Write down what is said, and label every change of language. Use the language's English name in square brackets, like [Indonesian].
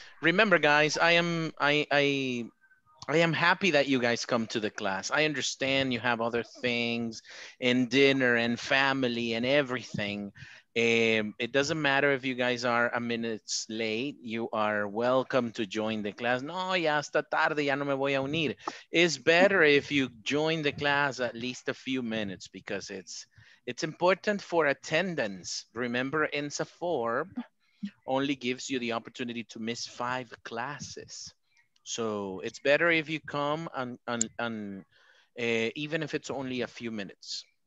[English] Remember, guys, I am happy that you guys come to the class. I understand you have other things and dinner and family and everything. It doesn't matter if you guys are a minute late. You are welcome to join the class. [Spanish] No, ya hasta tarde, ya no me voy a unir. [English] It's better if you join the class at least a few minutes because it's important for attendance. Remember, INSA form only gives you the opportunity to miss 5 classes. So it's better if you come and even if it's only a few minutes.